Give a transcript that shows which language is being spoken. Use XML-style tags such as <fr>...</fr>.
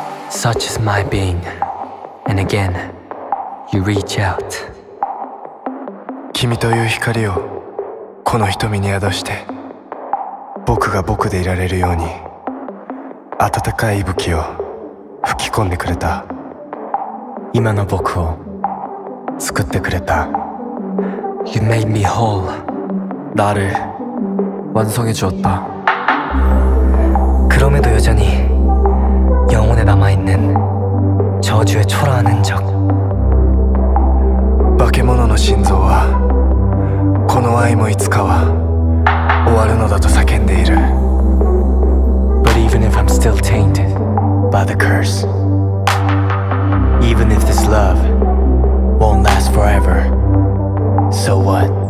<en>Such is my being, and again, you reach out.</en> <ja>君という光をこの瞳に宿して、僕が僕でいられるように温かい息吹を吹き込んでくれた。今の僕を作ってくれた。</ja> <en>You made me whole.</en> <ko>나를완성해주었다。 그럼에도여전히영혼에남아있는저주에초라한흔적</ko> <ja>化け物の心臓はこの愛もいつかは終わるのだと叫んでいる</ja> <en>But even if I'm still tainted by the curse Even if this love won't last forever So what?</en>